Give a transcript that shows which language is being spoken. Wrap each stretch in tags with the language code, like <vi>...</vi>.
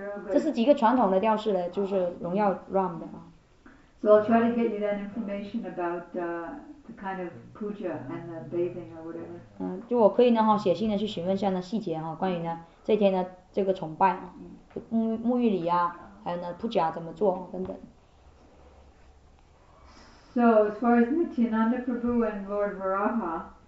<zh>这是几个传统的调式的，就是荣耀 Ram 的啊。</zh> <en>So I'll try to get you that information about the kind of puja and the bathing or whatever.</en> <zh>嗯，就我可以呢哈，写信呢去询问一下呢细节哈，关于呢这天呢这个崇拜，沐浴礼啊，还有呢 puja 怎么做等等。</zh> <en>So as far as Nityananda Prabhu and Lord Varaha.</en>